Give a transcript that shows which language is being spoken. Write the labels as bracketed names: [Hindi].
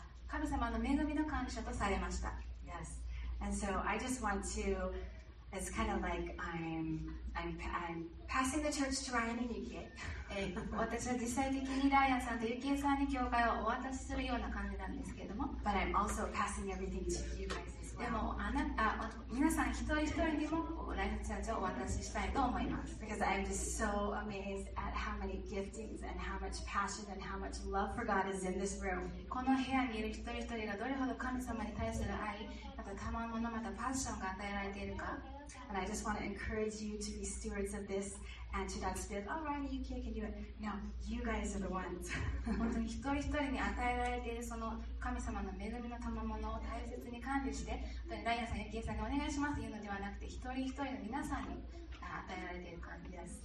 [Japanese] 神様の恵みの感謝とされました。 [English] Yes. And so I just want to, it's kind of like I'm passing the church to Ryan and Yuki. [Japanese] 私は実際的にライアンさんとユキエさんに教会をお渡しするような感じなんですけれども。 [English] But I'm also passing everything to you guys as well. [Japanese] でも皆さん一人一人にもライフチャーズをお渡ししたいと思います。 [English] Because I'm just so amazed at how many giftings and how much passion and how much love for God is in this room. [Japanese] この部屋にいる一人一人がどれほど神様に対する愛、また賜物、またパッションが与えられているか。 [English] And I just want to encourage you to be stewards of this and to not say, oh, Ryan, you can do it. No, you guys are the ones. [Japanese] 本当に一人一人に与えられているその神様の恵みの賜物を大切に管理して、本当にダイヤさん、ユキエさんにお願いしますというのではなくて、一人一人の皆さんに与えられている感じです。